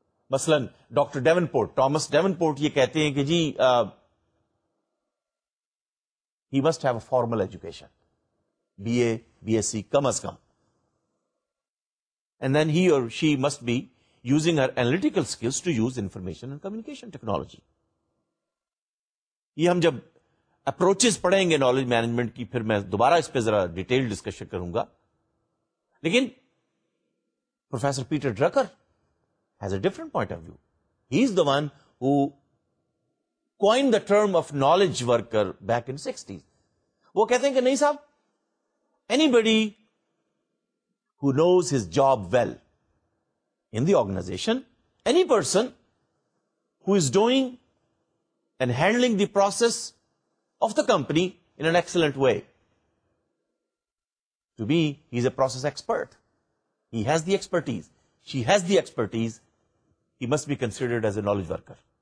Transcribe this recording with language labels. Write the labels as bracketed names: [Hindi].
[Urdu] مثلا ڈاکٹر ڈیون port, Thomas ڈیون پورٹ یہ کہتے ہیں کہ جی [English] He must have a formal education, B A B S C کم از کم, and then he اور she must be using her analytical skills to use information and communication technology. [Urdu] یہ ہم جب approaches پڑھیں گے نالج مینجمنٹ کی پھر میں دوبارہ اس پہ ذرا ڈیٹیل ڈسکشن کروں گا. [English] لیکن professor Peter Drucker has a different point of view. He is the one who coin the term of knowledge worker back in 60s. [Urdu] وہ کہتے ہیں کہ نہیں صاحب, [English] anybody who knows his job well in the organization, any person who is doing and handling the process of the company in an excellent way, to me he is a process expert, he has the expertise, she has the expertise, he must be considered as a knowledge worker.